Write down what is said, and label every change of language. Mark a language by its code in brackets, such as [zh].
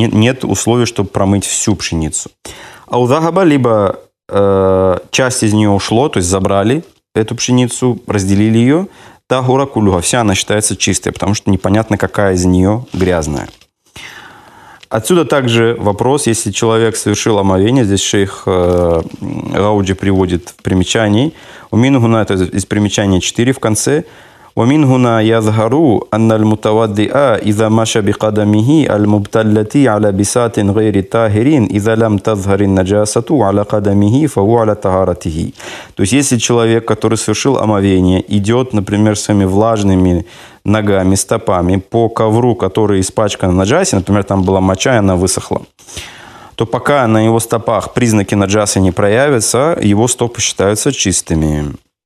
[ru] Нет условий, чтобы промыть всю пшеницу. А у загаба либо часть из нее ушло, то есть забрали эту пшеницу, разделили ее, та гура кулюга, вся она считается чистой, потому что непонятно, какая из нее грязная. Отсюда также вопрос, если человек совершил омовение, здесь шейх Гауджи приводит в примечании, у Мингуна это из примечания 4 в конце, [ar] ومن هنا يظهر أن المتوضئ إذا مشى بقدمه المبتلة على بساط غير طاهرين إذا لم تظهر النجاسة على قدمه فهو على طهارته. [ru] То есть если человек, который совершил омовение, идет, например, своими влажными ногами, стопами по ковру, который испачкан наджасой, например, там была моча, она высохла, то пока на его стопах признаки наджасы не проявятся, его стопы считаются чистыми.